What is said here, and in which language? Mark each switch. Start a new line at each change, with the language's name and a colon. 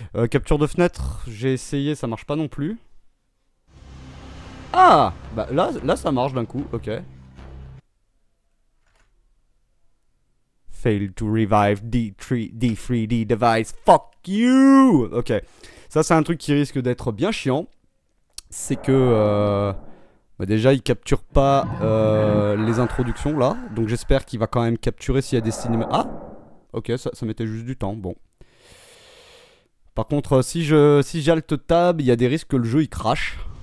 French: Capture de fenêtre, j'ai essayé, ça marche pas non plus. Ah! Bah là, là ça marche d'un coup, ok.
English: Fail to revive D3D device, fuck you!
French: Ok, ça c'est un truc qui risque d'être bien chiant. C'est que... bah déjà il capture pas les introductions là. Donc j'espère qu'il va quand même capturer s'il y a des cinémas. Ah! Ok, ça mettait juste du temps, bon. Par contre, si j'alte tab, il y a des risques que le jeu il crache.